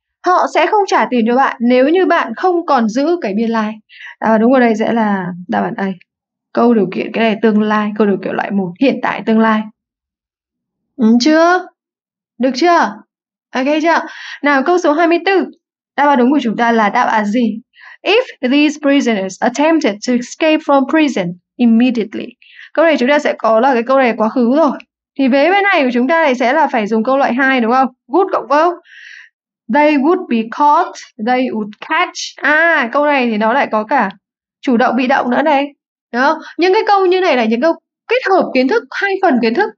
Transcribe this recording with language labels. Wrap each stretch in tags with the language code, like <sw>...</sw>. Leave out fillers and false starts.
<vi>Họ sẽ không trả tiền cho bạn nếu như bạn không còn giữ cái biên lai. Đáp án đúng ở đây sẽ là đáp án A. Câu điều kiện cái này tương lai, câu điều kiện loại một, hiện tại tương lai. Ừ chưa? Được chưa? Ok chưa? Nào câu số 24. Đáp án đúng của chúng ta là đáp án gì?</vi> <en>If these prisoners attempted to escape from prison immediately.</en> <vi>Câu này chúng ta sẽ có là cái câu này quá khứ rồi. Thì vế bên này của chúng ta này sẽ là phải dùng câu loại 2 đúng không? Would cộng verb.</vi> <en>They would be caught, they would catch.</en> <vi>À, câu này thì nó lại có cả chủ động bị động nữa này. Đó. Những cái câu như này là những câu kết hợp kiến thức, hai phần kiến thức.</vi>